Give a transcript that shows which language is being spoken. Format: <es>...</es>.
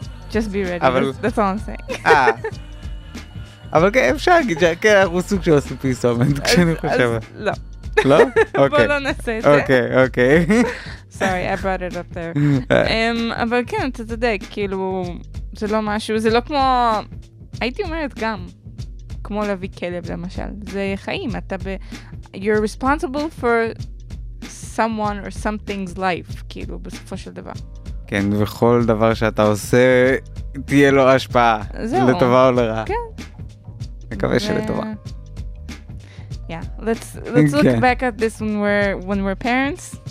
<en>just be ready, that's all I'm saying.</en> <he>אבל כן, אפשר להגיד שכן, אנחנו סוג של עושים פרסומת כשאני חושבת. לא. לא? בוא לא נעשה את זה. אוקיי, אוקיי.</he> <en>Sorry, I brought it up there.</en> <he>אבל כן, אתה יודע, כאילו, זה לא משהו, זה לא כמו, הייתי אומרת גם, כמו להביא כלב למשל. זה חיים, אתה ב...</he> <en>You're responsible for someone or something's life,</en> <he>כאילו, בסופו של דבר. כן, וכל דבר שאתה עושה, תהיה לו השפעה. זהו. לטובה או לרע. כן. מקווה שלטובה.</he> <en>Yeah, let's look</en> <he>כן.</he> <en>back at this when we're parents.</en>